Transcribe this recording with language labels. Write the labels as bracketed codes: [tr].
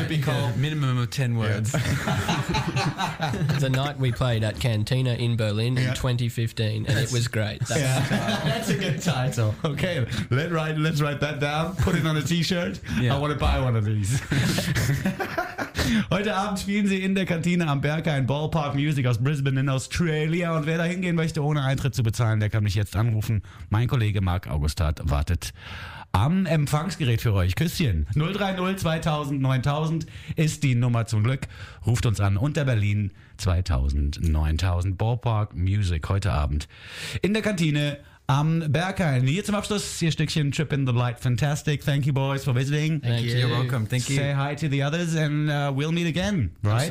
[en] It should be called minimum of 10 words. Yeah. The night we played at Cantina in Berlin in 2015, and it was great. That's a good title. Okay, let's write that down. Put it on a T-shirt. Yeah. I want to buy one of these. [de] Heute Abend spielen sie in der Kantine am Berghain Ballpark Music aus Brisbane in Australia. Und wer da hingehen möchte, ohne Eintritt zu bezahlen, der kann mich jetzt anrufen. Mein Kollege Marc Augustat wartet am Empfangsgerät für euch. Küsschen. 030 2000 9000 ist die Nummer zum Glück. Ruft uns an unter Berlin 2000 9000 Ballpark Music heute Abend in der Kantine am Berghain. Hier zum Abschluss ihr Stückchen [en] Trip in the Light. Fantastic. Thank you boys for visiting. Thank you. You're welcome. Thank you. Say hi to the others and we'll meet again. Right?